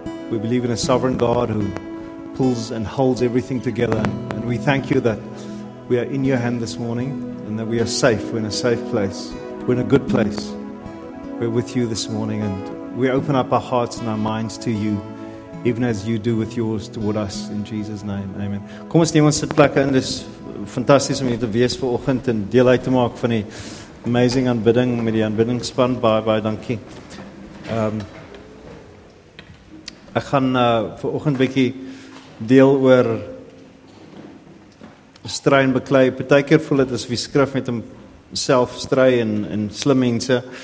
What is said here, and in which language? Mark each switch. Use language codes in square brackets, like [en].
[en] We believe in a sovereign God who pulls and holds everything together. And we thank you that we are in your hand this morning, and that we are safe. We're in a safe place. We're in a good place. We're with you this morning, and we open up our hearts and our minds to you, even as you do with yours toward us, in Jesus' name. [af] Amen. Kom ons neem ons sitplekke in. Dis fantasties om hier te wees vanoggend en deel uit te maak van die amazing aanbidding met die aanbiddingsspan. Baie, baie dankie. Ek gaan vanoggend bietjie deel oor strei en beklei. Partykeer voel dit as wie skrif met homself strei en slim mense.